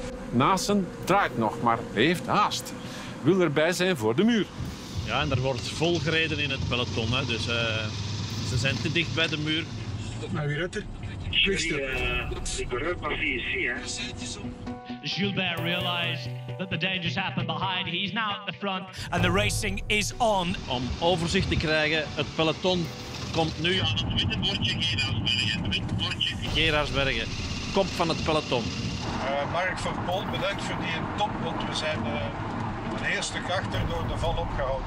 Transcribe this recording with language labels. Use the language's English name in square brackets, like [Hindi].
[Dutch] Naassen draait nog, maar heeft haast. Wil erbij zijn voor de muur. Ja, en er wordt vol gereden in het peloton. Hè. Dus ze zijn te dicht bij de muur. Maar wie redt er? Ik ben eruit naar VSC, hè. [English] Gilbert realized that the danger has happened behind. He's now at the front and the racing is on. [Dutch] Om overzicht te krijgen, het peloton komt nu. Ja, het witte bordje Geraardsbergen. Komt van het peloton. Mark van Pol, bedankt voor die top, want we zijn een heel stuk achter door de val opgehouden.